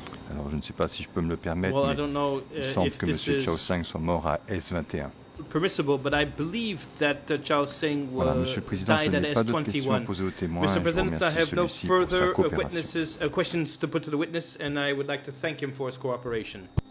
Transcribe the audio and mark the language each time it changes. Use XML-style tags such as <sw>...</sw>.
<fr>Alors, je ne sais pas si je peux me le permettre, mais il semble que M. Chao Sang soit mort à S21.</fr> <en>Permissible, but I believe that Chao Sang died at S21. Monsieur le Président, je n'ai pas d'autres questions posées aux témoins. Mr. President, I have no further witnesses, questions to put to the witness, and I would like to thank him for his cooperation.</en>